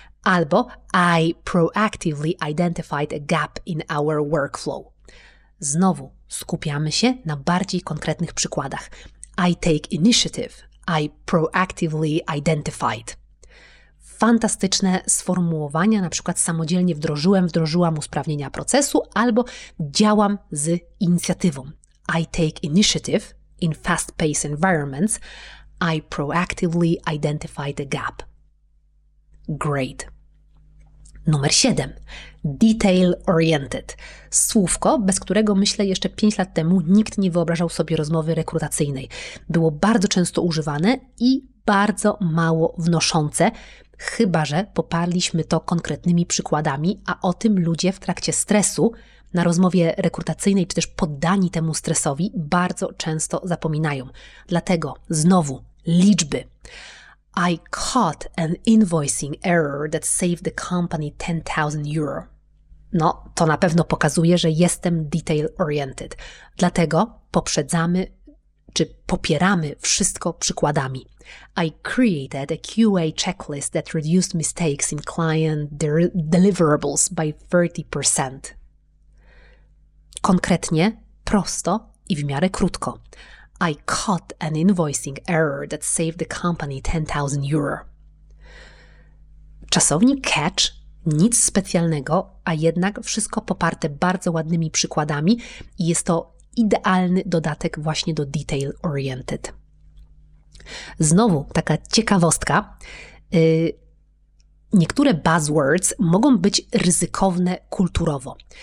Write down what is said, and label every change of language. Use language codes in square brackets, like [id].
[pl] Albo [en] I proactively identified a gap in our workflow. [pl] Znowu skupiamy się na bardziej konkretnych przykładach. [en] I take initiative, I proactively identified. [pl] Fantastyczne sformułowania, na przykład samodzielnie wdrożyłam usprawnienia procesu, albo działam z inicjatywą. [en] I take initiative in fast-paced environments, I proactively identify the gap. Great. [pl] Numer 7. [en] Detail-oriented. [pl] Słówko, bez którego myślę jeszcze 5 lat temu nikt nie wyobrażał sobie rozmowy rekrutacyjnej. Było bardzo często używane i bardzo mało wnoszące, chyba że poparliśmy to konkretnymi przykładami, a o tym ludzie w trakcie stresu na rozmowie rekrutacyjnej czy też poddani temu stresowi bardzo często zapominają. Dlatego znowu liczby. [en] I caught an invoicing error that saved the company 10,000 euro. [pl] No, to na pewno pokazuje, że jestem detail oriented. Dlatego poprzedzamy czy popieramy wszystko przykładami. [en] I created a QA checklist that reduced mistakes in client deliverables by 30%. [pl] Konkretnie, prosto i w miarę krótko. [en] I caught an invoicing error that saved the company 10,000 euro. [pl] Czasownik catch, nic specjalnego, a jednak wszystko poparte bardzo ładnymi przykładami i jest to idealny dodatek właśnie do detail oriented. Znowu taka ciekawostka. niektóre buzzwords mogą być ryzykowne kulturowo.